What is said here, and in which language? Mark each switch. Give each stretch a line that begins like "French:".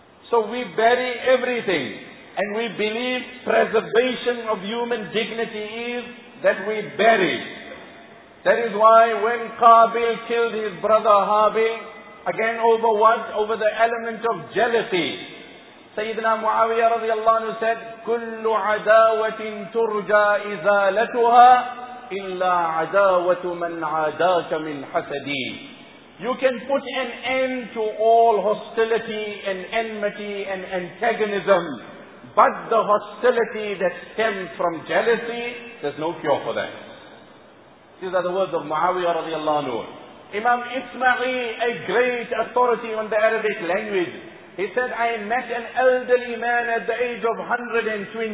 English: So we bury everything. And we believe preservation of human dignity is that we bury. That is why when Qabil killed his brother Habil, again over what? Over the element of jealousy. Sayyidina Muawiyah radiallahu anhu said,
Arabic: كُلُّ عَدَاوَةٍ تُرْجَى إِزَالَتُهَا إِلَّا عَدَاوَةُ مَنْ عَدَاكَ مِنْ حَسَدِي.
English: You can put an end to all hostility and enmity and antagonism, but the hostility that stems from jealousy, there's no cure for that. These are the words of Muawiyah radiallahu anhu. Imam Ismaili, a great authority on the Arabic language, he said, I met an elderly man at the age of 120.